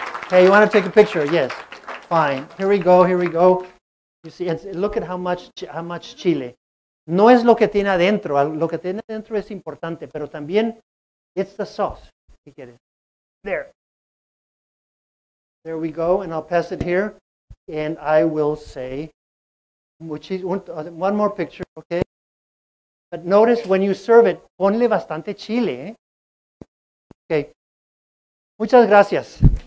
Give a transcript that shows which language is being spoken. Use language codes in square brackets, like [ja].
[en] Hey, you want to take a picture? Yes. Fine. Here we go. You see, look at how much chile. [es] No es lo que tiene adentro. Lo que tiene adentro es importante, pero también [en] it's the sauce. You get it. There. There we go, and I'll pass it here, and I will say, which is one more picture, okay? But notice when you serve it, [es] ponle bastante chile, ¿eh? [en] Okay. [es] Muchas gracias.